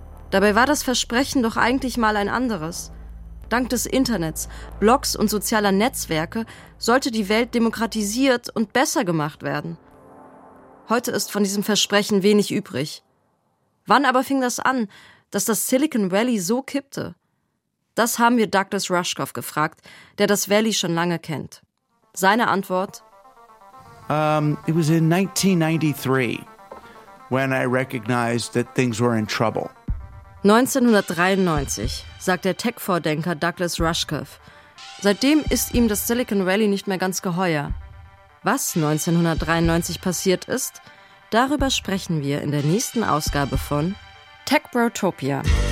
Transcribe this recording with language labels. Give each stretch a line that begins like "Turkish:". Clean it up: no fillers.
German: Dabei war das Versprechen doch eigentlich mal ein anderes. Dank des Internets, Blogs und sozialer Netzwerke sollte die Welt demokratisiert und besser gemacht werden. Heute ist von diesem Versprechen wenig übrig. Wann aber fing das an, dass das Silicon Valley so kippte? Das haben wir Douglas Rushkoff gefragt, der das Valley schon lange kennt. Seine Antwort:
English: It was in 1993, when I recognized that things were in trouble.
German: 1993, sagt der Tech-Vordenker Douglas Rushkoff. Seitdem ist ihm das Silicon Valley nicht mehr ganz geheuer. Was 1993 passiert ist, darüber sprechen wir in der nächsten Ausgabe von Tech Brotopia.